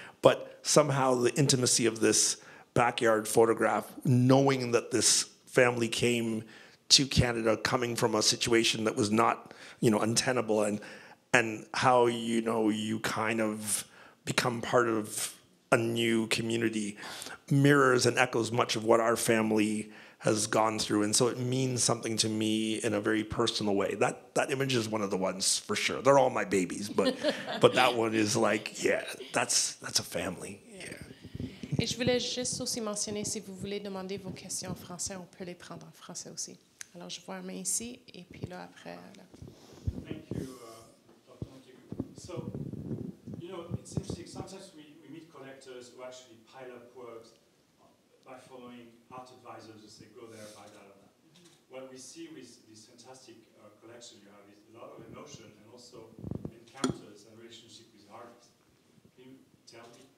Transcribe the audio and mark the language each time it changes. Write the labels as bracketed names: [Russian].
[English] But somehow the intimacy of this backyard photograph, knowing that this family came to Canada coming from a situation that was not, you know, untenable, and how, you know, you kind of become part of a new community, mirrors and echoes much of what our family has gone through. And so it means something to me in a very personal way. That image is one of the ones for sure. They're all my babies, but but that one is like, yeah, that's a family. [French] Et je voulais juste aussi mentionner, si vous voulez demander vos questions en français, on peut les prendre en français aussi. Alors, je vois un main ici, et puis là, après, là. [English] Thank you, Dr. Montague. So, you know, it's interesting. Sometimes we meet collectors who actually pile up works by following art advisors as they go there, buy that, and that. What we see with this fantastic collection you have is a lot of emotion and also encounters and relationship with artists. Can you tell me?